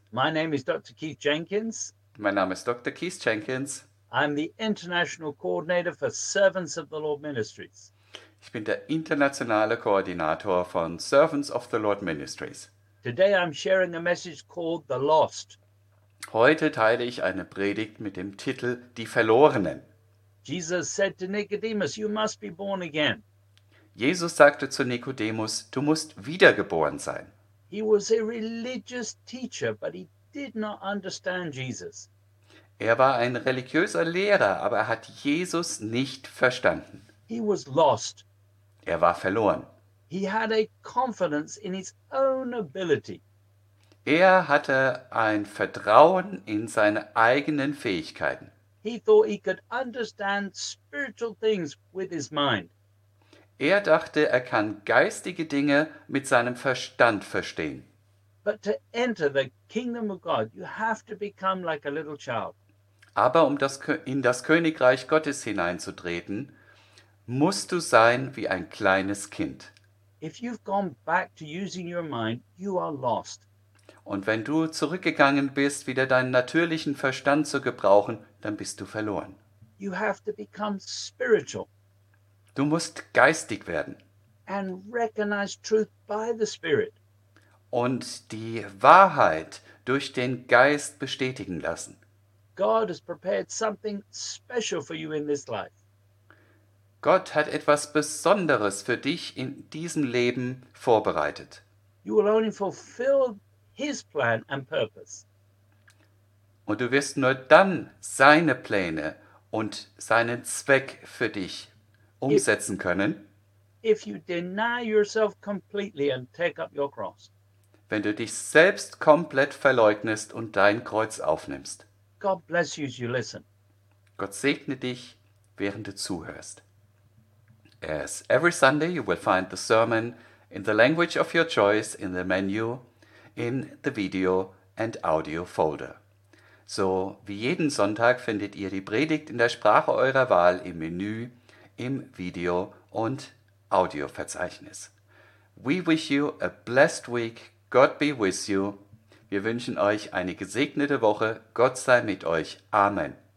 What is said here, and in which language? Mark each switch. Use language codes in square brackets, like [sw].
[en] My name is Dr. Keith Jenkins. [de] Mein Name ist Dr. Keith Jenkins. [en] I'm the International Coordinator for Servants of the Lord Ministries. [de] Ich bin der internationale Koordinator von Servants of the Lord Ministries. [en] Today I'm sharing a message called The Lost. [de] Heute teile ich eine Predigt mit dem Titel Die Verlorenen. [en] Jesus said to Nicodemus, you must be born again. [de] Jesus sagte zu Nikodemus, du musst wiedergeboren sein. [en] He was a religious teacher, but he did not understand Jesus. [de] Er war ein religiöser Lehrer, aber er hat Jesus nicht verstanden. [en] He was lost. [de] Er war verloren. [en] He had a confidence in his own ability. [de] Er hatte ein Vertrauen in seine eigenen Fähigkeiten. [en] He thought he could understand spiritual things with his mind. [de] Er dachte, er kann geistige Dinge mit seinem Verstand verstehen. [en] But to enter the kingdom of God, you have to become like a little child. [de] Aber um in das Königreich Gottes hineinzutreten, musst du sein wie ein kleines Kind. [en] If you've gone back to using your mind, you are lost. [de] Und wenn du zurückgegangen bist, wieder deinen natürlichen Verstand zu gebrauchen, dann bist du verloren. [en] You have to become spiritual. [de] Du musst geistig werden. [en] And recognize truth by the Spirit. [de] Und die Wahrheit durch den Geist bestätigen lassen. [en] God has prepared something special for you in this life. [de] Gott hat etwas Besonderes für dich in diesem Leben vorbereitet. [en] You will only fulfill his plan and purpose. [de] Und du wirst nur dann seine Pläne und seinen Zweck für dich umsetzen können. [en] If you deny yourself completely and take up your cross. [de] Wenn du dich selbst komplett verleugnest und dein Kreuz aufnimmst. [en] God bless you as you listen. [de] Gott segne dich, während du zuhörst. [en] As every Sunday you will find the sermon in the language of your choice in the menu, in the video and audio folder. [de] So wie jeden Sonntag findet ihr die Predigt in der Sprache eurer Wahl im Menü, im Video- und Audioverzeichnis. [en] We wish you a blessed week. God be with you. [de] Wir wünschen euch eine gesegnete Woche. Gott sei mit euch. Amen.